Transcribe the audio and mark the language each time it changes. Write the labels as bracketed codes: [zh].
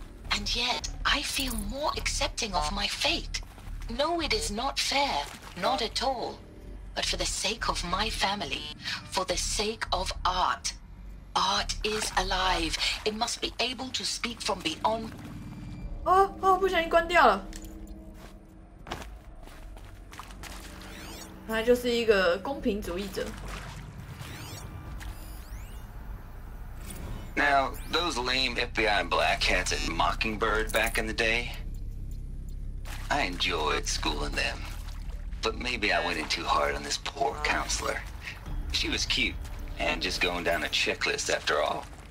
[en] And yet, I feel more accepting of my fate. No, it is not fair, not at all. But for the sake of my family, for the sake of art. Art is alive. It must be able to speak from beyond. [zh] Oh, oh, 不小心关掉了。他就是一个公平主义者。 [en] Now, those lame FBI black hats at Mockingbird back in the day, I enjoyed schooling them. But maybe I went in too hard on this poor counselor. She was cute, and just going down a checklist after all.